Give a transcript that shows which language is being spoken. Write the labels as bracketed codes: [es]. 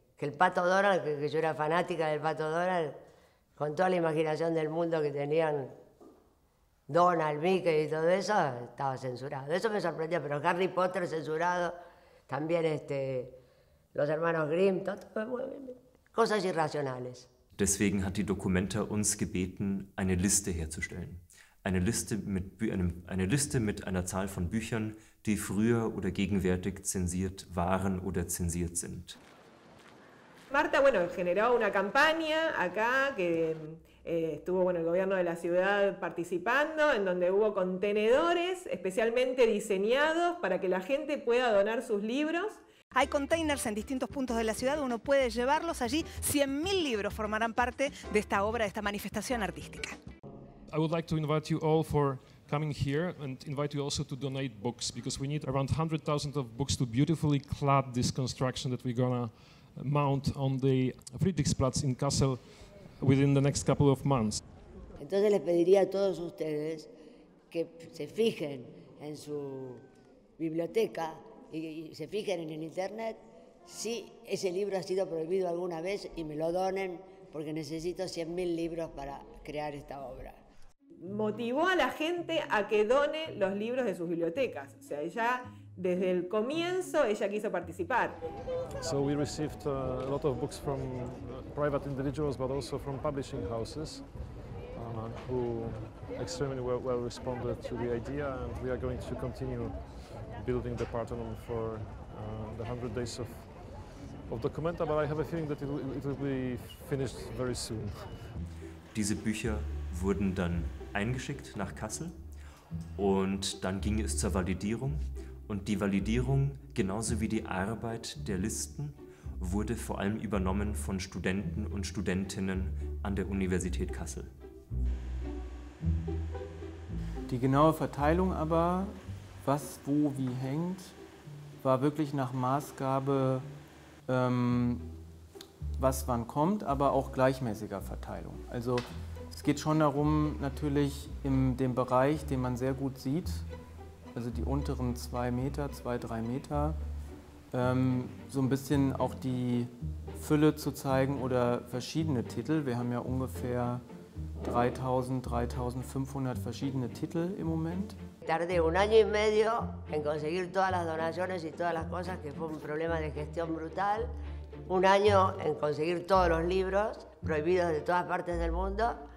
[es] Que el Pato Doral, que yo era fanática del Pato Doral, con toda la imaginación del mundo que tenían Donald, Mickey y todo eso, estaba censurado. Eso me sorprendió, pero Harry Potter censurado, también los hermanos Grimm, cosas irracionales. [de] Deswegen hat die Documenta uns gebeten, eine Liste herzustellen. Eine Liste mit einer Zahl von Büchern, die früher oder gegenwärtig zensiert waren oder zensiert sind. [es] Marta, bueno, generó una campaña acá, que estuvo, bueno, el gobierno de la ciudad participando, en donde hubo contenedores especialmente diseñados para que la gente pueda donar sus libros. Hay containers en distintos puntos de la ciudad, uno puede llevarlos allí. 100.000 libros formarán parte de esta obra, de esta manifestación artística. [en] I would like to invite you all for coming here and invite you also to donate books, because we need around 100,000 of books to beautifully clad this construction that we're gonna mount on the Friedrichsplatz in Kassel within the next couple of months. [es] Entonces les pediría a todos ustedes que se fijen en su biblioteca y se fijen en el internet si ese libro ha sido prohibido alguna vez y me lo donen, porque necesito 100.000 libros para crear esta obra. Motivó a la gente a que done los libros de sus bibliotecas. O sea, ella desde el comienzo ella quiso participar. [en] So we received a lot of books from private individuals, but also from publishing houses, who extremely well responded to the idea, and we are going to continue building the Parthenon for the 100 days of Documenta, but I have a feeling that it will be finished very soon. [de] Diese Bücher wurden dann eingeschickt nach Kassel und dann ging es zur Validierung. Und die Validierung, genauso wie die Arbeit der Listen, wurde vor allem übernommen von Studenten und Studentinnen an der Universität Kassel. Die genaue Verteilung aber, was, wo, wie hängt, war wirklich nach Maßgabe, was wann kommt, aber auch gleichmäßiger Verteilung. Also es geht schon darum, natürlich in dem Bereich, den man sehr gut sieht, also die unteren 2 Meter, 2, 3 Meter, so ein bisschen auch die Fülle zu zeigen oder verschiedene Titel. Wir haben ja ungefähr 3.000, 3.500 verschiedene Titel im Moment. [es] Tardé un año y medio en conseguir todas las donaciones y todas las cosas, que fue un problema de gestión brutal. Un año en conseguir todos los libros prohibidos de todas partes del mundo.